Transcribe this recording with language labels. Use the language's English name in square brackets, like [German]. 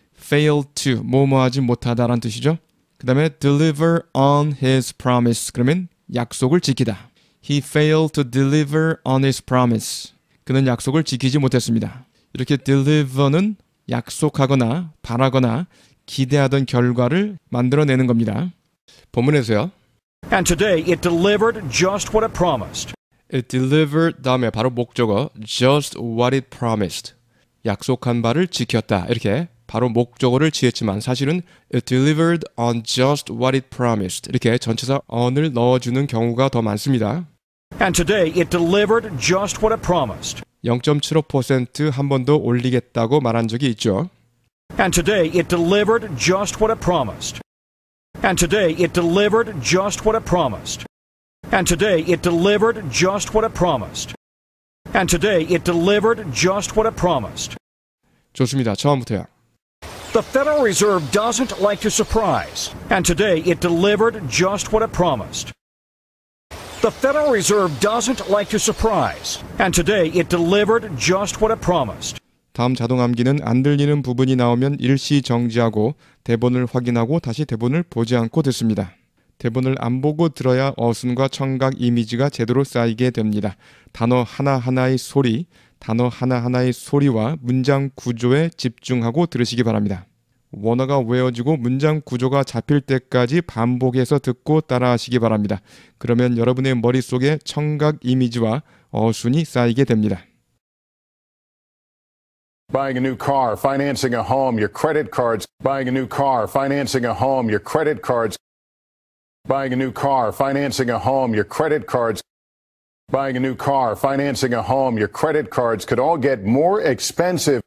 [Korean] Failed to, 뭐뭐하지 못하다라는 뜻이죠. 그 다음에 [English] deliver on his promise. [Korean] 그러면 약속을 지키다. [English] He failed to deliver on his promise. [Korean] 그는 약속을 지키지 못했습니다. 이렇게 deliver는 약속하거나 바라거나 기대하던 결과를 만들어내는 겁니다. 본문에서요. [English] And today it delivered just what it promised. It delivered [Korean] 다음에 바로 목적어 [English] just what it promised. [Korean] 약속한 바를 지켰다. 이렇게 바로 목적어를 지었지만 사실은 [English] it delivered on just what it promised. [Korean] 이렇게 전체사 on을 넣어주는 경우가 더 많습니다. [English] And today it delivered just what it promised. [Korean] 0.75% 한 번 더 올리겠다고 말한 적이 있죠. [English] And today it delivered just what it promised. And today it delivered just what it promised. And today it delivered just what it promised. And today it delivered just what it promised. [Korean] 좋습니다. 처음부터요. [English] The Federal Reserve doesn't like to surprise. And today it delivered just what it promised. The Federal Reserve doesn't like to surprise. And today it delivered just what it promised. [Korean] 다음 자동 암기는 안 들리는 부분이 나오면 일시 정지하고 대본을 확인하고 다시 대본을 보지 않고 듣습니다. 대본을 안 보고 들어야 어순과 청각 이미지가 제대로 쌓이게 됩니다. 단어 하나하나의 소리, 단어 하나하나의 소리와 문장 구조에 집중하고 들으시기 바랍니다. 원어가 외워지고 문장 구조가 잡힐 때까지 반복해서 듣고 따라하시기 바랍니다. 그러면 여러분의 머릿속에 청각 이미지와 어순이 쌓이게 됩니다. [English] Buying a new car, financing a home, your credit cards. Buying a new car, financing a home, your credit cards. Buying a new car, financing a home, your credit cards. Buying a new car, financing a home, your credit cards could all get more expensive.